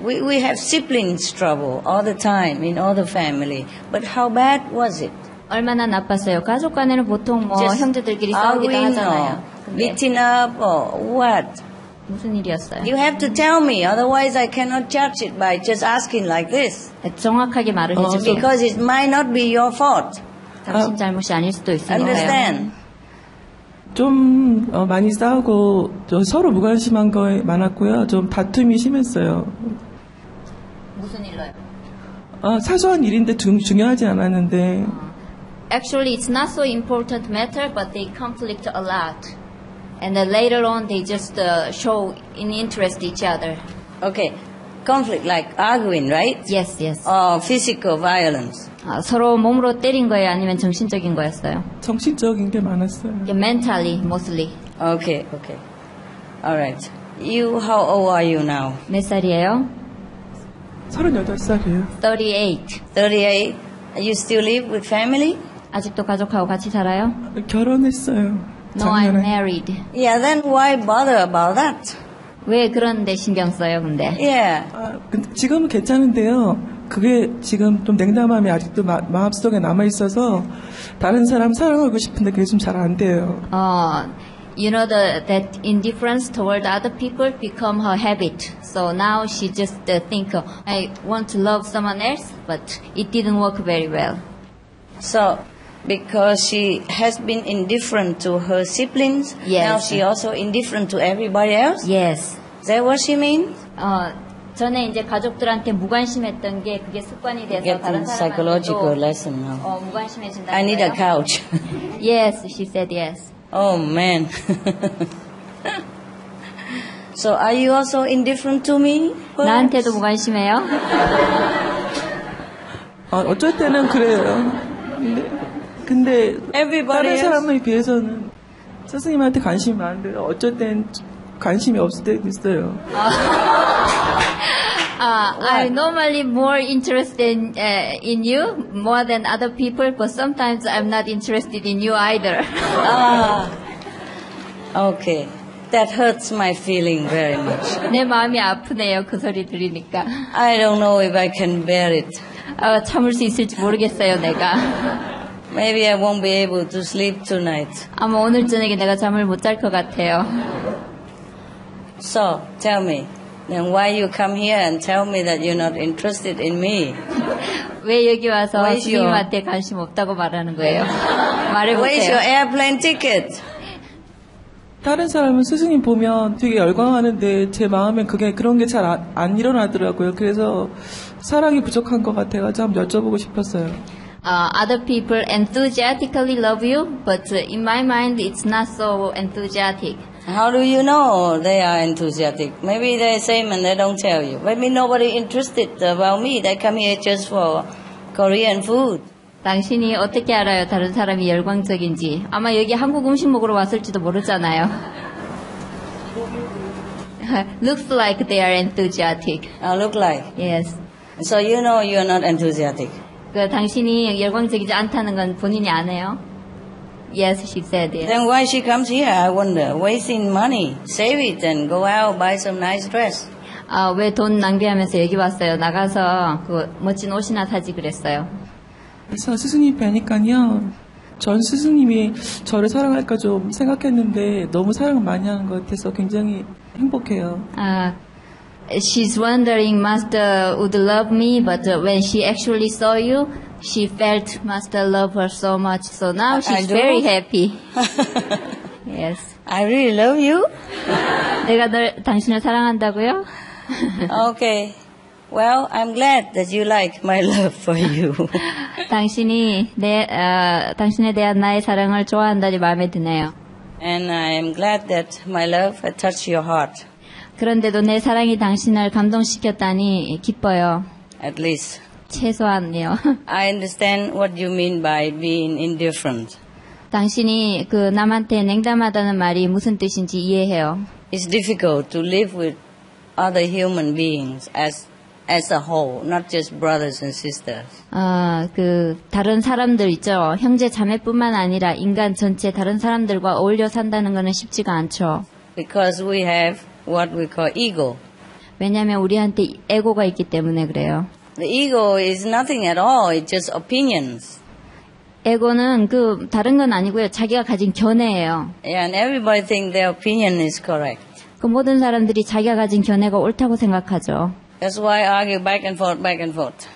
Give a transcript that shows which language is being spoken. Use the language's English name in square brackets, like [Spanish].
[English] We have siblings trouble all the time in all the family. But how bad was it? [Korean] 얼마나 나빴어요? 가족 간에는 보통 뭐 형제들끼리 싸우기도 하잖아요. [English] Beating up or what? [Korean] 무슨 일이었어요? [English] You have to tell me, otherwise I cannot judge it by just asking like this. [Korean] 정확하게 말을 해주세요. [English] Because it might not be your fault. [Korean] 당신 잘못이 아닐 수도 있어요. [English] Understand? [Korean] 좀 많이 싸우고 좀 서로 무관심한 거 많았고요. 좀 다툼이 심했어요. 무슨 일로요? 사소한 일인데 중요하지 않았는데. [English] Actually, it's not so important matter, but they conflict a lot. And then later on, they just show an interest in each other. Okay. Conflict, like arguing, right? Yes, yes. Or physical violence. [Korean] 서로 몸으로 때린 거예요, 아니면 정신적인 거였어요? 정신적인 게 많았어요. [English] Yeah, mentally, mostly. Okay, okay. All right. You, how old are you now? [Korean] 몇 살이에요? 38살이에요. [English] 38. You still live with family? [Korean] 아직도 가족하고 같이 살아요? 결혼했어요. [English] No, I'm married. Yeah, then why bother about that? [Korean] 왜 그런데 신경 써요, 근데? [English] Yeah. [Korean] 지금은 괜찮은데요. 그게 지금 좀 냉담함이 아직도 마음속에 남아 있어서 다른 사람 사랑하고 싶은데 그게 좀 잘 안 돼요. [English] You know that indifference toward other people become her habit. So now she just think I want to love someone else, but it didn't work very well. So. Because she has been indifferent to her siblings. Yes. Now she also indifferent to everybody else. Yes. Is that what she means? [Korean] 전에 이제 가족들한테 무관심했던 게 그게 습관이 돼서 다른 사람한테도 [English] psychological lesson now. [Korean] 무관심해진다. [English] I need a couch. Yes, she said yes. Oh man. So are you also indifferent to me? Perhaps? [Korean] 나한테도 무관심해요? 어쩔 때는 그래요. 근데 [English] Everybody [Korean] 다른 사람에 [English] else? [Korean] 비해서는 스승님한테 관심이 많은데 어쩔 땐 관심이 없을 때도 있어요. [English] I normally more interested in you more than other people, but sometimes I'm not interested in you either. Okay, that hurts my feeling very much. [Korean] 내 마음이 아프네요, 그 소리 들으니까. [English] I don't know if I can bear it. [Korean] 참을 수 있을지 모르겠어요, 내가. [English] Maybe I won't be able to sleep tonight. [Korean] 아마 오늘 저녁에 내가 잠을 못 잘 것 같아요. [English] So, tell me. Then why you come here and tell me that you're not interested in me? [Korean] 왜 여기 와서 주님한테 관심 없다고 말하는 거예요? 말해보세요. [English] Where's your airplane ticket? [Korean] 다른 사람은 스승님 보면 되게 열광하는데 제 마음에 그게 그런 게 잘 안 일어나더라고요. 그래서 사랑이 부족한 것 같아서 좀 여쭤보고 싶었어요. [English] Other people enthusiastically love you, but in my mind, it's not so enthusiastic. How do you know they are enthusiastic? Maybe they're the same and they don't tell you. Maybe nobody interested about me. They come here just for Korean food. [Korean] 당신이 어떻게 알아요? 다른 사람이 열광적인지. 아마 여기 한국 음식 먹으러 왔을지도 모르잖아요. [English] Looks like they are enthusiastic. Look like? Yes. So you know you're not enthusiastic. [Korean] 그 당신이 열광적이지 않다는 건 본인이 아네요. [English] Yes, she said it. Then why she comes here, I wonder. Wasting money. Save it and go out, buy some nice dress. [Korean] 아, 왜 돈 낭비하면서 여기 왔어요. 나가서 그 멋진 옷이나 사지 그랬어요. 그래서 스승님 뵈니까요. 전 스승님이 저를 사랑할까 좀 생각했는데 너무 사랑 많이 하는 것 같아서 굉장히 행복해요. [English] She's wondering Master would love me, but when she actually saw you, she felt Master love her so much. So now she's very happy. Yes. I really love you. [Korean] 내가 널 당신을 사랑한다고요? [English] Okay. Well, I'm glad that you like my love for you. [Korean] 당신이 당신에 대한 나의 사랑을 좋아한다니 마음에 드네요. [English] And I'm glad that my love touched your heart. [Korean] 그런데도 내 사랑이 당신을 감동시켰다니 기뻐요. [English] At least. [Korean] 최소한요. [English] I understand what you mean by being indifferent. [Korean] 당신이 그 남한테 냉담하다는 말이 무슨 뜻인지 이해해요. [English] It's difficult to live with other human beings as a whole, not just brothers and sisters. [Korean] 그 다른 사람들 있죠. 형제 자매뿐만 아니라 인간 전체 다른 사람들과 어울려 산다는 것은 쉽지가 않죠. [English] Because we have what we call ego. [Korean] 왜냐하면 우리한테 에고가 있기 때문에 그래요. [English] The ego is nothing at all. It's just opinions. [Korean] 에고는 그 다른 건 아니고요. 자기가 가진 견해예요. [English] Yeah, and everybody thinks their opinion is correct. [Korean] 그 모든 사람들이 자기가 가진 견해가 옳다고 생각하죠. [English] That's why I argue back and forth, back and forth.